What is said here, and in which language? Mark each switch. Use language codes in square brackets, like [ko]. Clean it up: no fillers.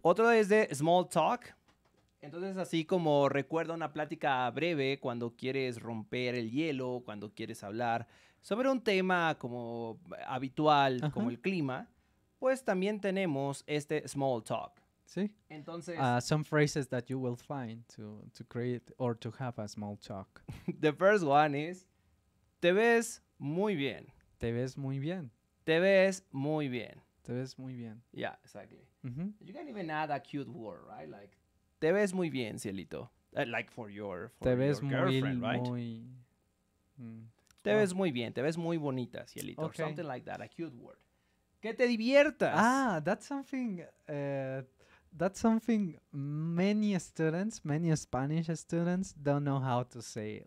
[es] Otro es de small talk. Entonces, así como recuerda una plática breve cuando quieres romper el hielo, cuando quieres hablar sobre un tema como habitual, uh-huh, como el clima, pues también tenemos este small talk. Sí. Entonces, [en] Some phrases that you will find to create or to have a small talk. The first one is, [es] te ves muy bien. Te ves muy bien. Te ves muy bien. Te ves muy bien. [en] Yeah, exactly. Mm-hmm. You can even add a cute word, right? Like, [es] te ves muy bien, cielito. [en] Like for your girlfriend, [es] te ves [en] your [es] muy, [en] girlfriend, right? [es] Muy... Te ves muy bien, te ves muy bonita, cielito. [en] Okay. Or something like that, a cute word. [es] Que te diviertas. [en] Ah, that's something many students, many Spanish students don't know how to say.